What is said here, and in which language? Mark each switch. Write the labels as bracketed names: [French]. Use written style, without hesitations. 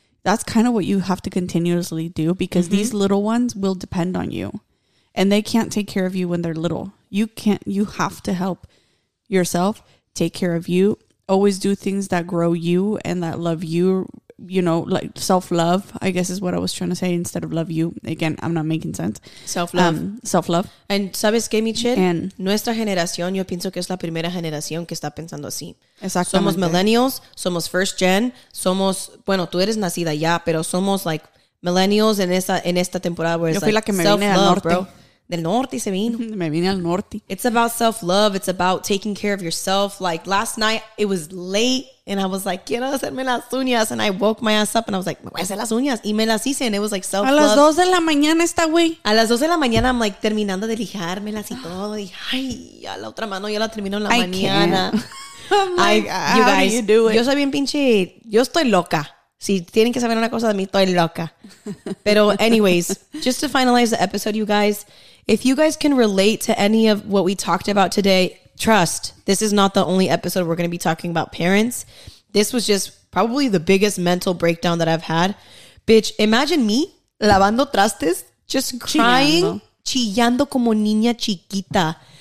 [English] That's kind of what you have to continuously do, because mm-hmm. these little ones will depend on you and they can't take care of you when they're little. You have to help yourself, take care of you. Always do things that grow you and that love you, you know, like self-love, I guess is what I was trying to say, instead of love you. Again, I'm not making sense. Self-love. Self-love. And [Spanish] sabes que, Michelle? [English] And [Spanish] nuestra generación, yo pienso que es la primera generación que está pensando así. Exactamente. Somos millennials, somos first gen, somos, bueno, tú eres nacida ya, pero somos like millennials en esta temporada. Yo fui la que me vine al norte. Bro. Del norte se vino. Me vine al norte. [English] It's about self-love. It's about taking care of yourself. Like last night, it was late and I was like, [Spanish] quiero hacerme las uñas. [English] And I woke my ass up and I was like, [Spanish] me voy a hacer las uñas. Y me las hice. [English] And it was like self-love. [Spanish] A las 2 de la mañana está, güey. A las 2 de la mañana, [English] I'm like [Spanish] terminando de lijármelas y todo. Y ay, a la otra mano ya la termino en la [English] I [Spanish] mañana. [English] I'm like, how do you do it? [Spanish] Yo soy bien pinche. Yo estoy loca. Si tienen que saber una cosa de mí, estoy loca. [English] Pero anyways, just to finalize the episode, you guys, if you guys can relate to any of what we talked about today, trust, this is not the only episode we're going to be talking about parents. This was just probably the biggest mental breakdown that I've had. Bitch, imagine me [Spanish] lavando trastes, [English] just crying, [Spanish] chillando como niña chiquita.